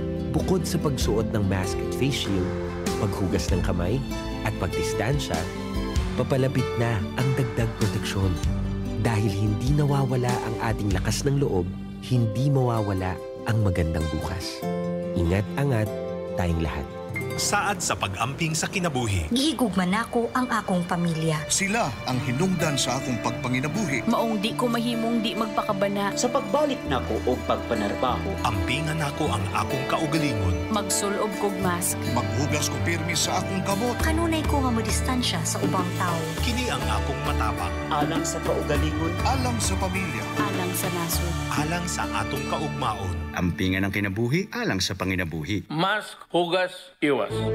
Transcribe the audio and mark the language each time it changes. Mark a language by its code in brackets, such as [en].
[tl] Bukod sa pagsuot ng mask at face shield, paghugas ng kamay at pagdistansya, papalapit na ang dagdag proteksyon. Dahil hindi nawawala ang ating lakas ng loob, hindi mawawala ang magandang bukas. Ingat-angat tayong lahat. [ceb] Saad sa pag-amping sa kinabuhi. Gihigugman ako ang akong pamilya. Sila ang hinungdan sa akong pagpanginabuhi. Maong di ko mahimong di magpakabana. Sa pagbalik nako o pagpanarbaho. Ampingan ako ang akong kaugalingon. Magsulob kog mask. Maghugas ko pirmi sa akong kamot. Kanunay ko nga madistansya sa ubang tao. Kini ang akong matapang. Alang sa kaugalingon. Alang sa pamilya. Alang sa nasod. Alang sa atong kaugmaon. Ampingan ang kinabuhi, alang sa panginabuhi. Mask, hugas, iwas.